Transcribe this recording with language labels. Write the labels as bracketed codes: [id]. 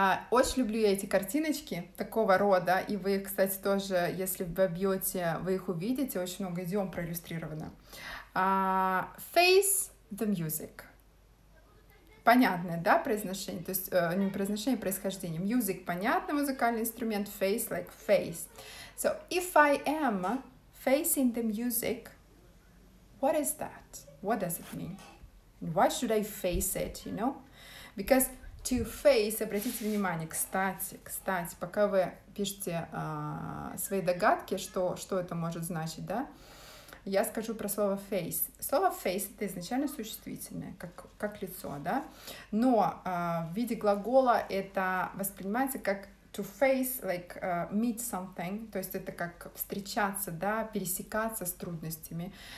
[ru] Очень люблю я эти картиночки такого рода. И вы их, кстати, тоже, если вобьёте, вы их увидите. Очень много идиом проиллюстрировано. [en] Face... The music. [ru] Понятное, да, произношение? То есть, не произношение, а происхождение. Music, понятно, музыкальный инструмент. [en] Face, like face. So, if I am facing the music, what is that? What does it mean? And why should I face it, you know? Because to face, [ru] обратите внимание, кстати, пока вы пишете свои догадки, что это может значить, да? Я скажу про слово face. Слово face — это изначально существительное, как лицо, да? Но в виде глагола это воспринимается как [en] to face, like meet something, [ru] то есть это как встречаться, да, пересекаться с трудностями.